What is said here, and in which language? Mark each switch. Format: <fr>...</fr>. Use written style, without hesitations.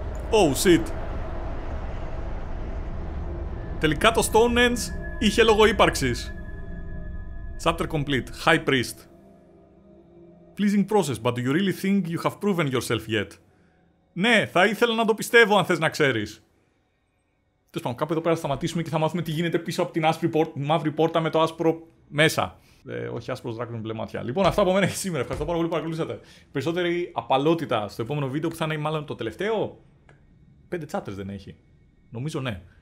<en>Oh shit.</en> <el>Τελικά το Stonehenge είχε λόγο ύπαρξης.</el> <en>Chapter complete. High priest. Pleasing process, but do you really think you have proven yourself yet?</en> <el>Ναι, θα ήθελα να το πιστεύω αν θες να ξέρεις. Τέλος πάντων, κάπου εδώ πέρα θα σταματήσουμε και θα μάθουμε τι γίνεται πίσω από την άσπρη μαύρη πόρτα με το άσπρο μέσα. Όχι άσπρος δράκος με μπλε μάτια. Λοιπόν, αυτά από μένα για σήμερα. Ευχαριστώ πάρα πολύ που παρακολουθήσατε. Περισσότερη απαλότητα στο επόμενο βίντεο που θα είναι μάλλον το τελευταίο. 5 chapters δεν έχει. Νομίζω ναι.</el>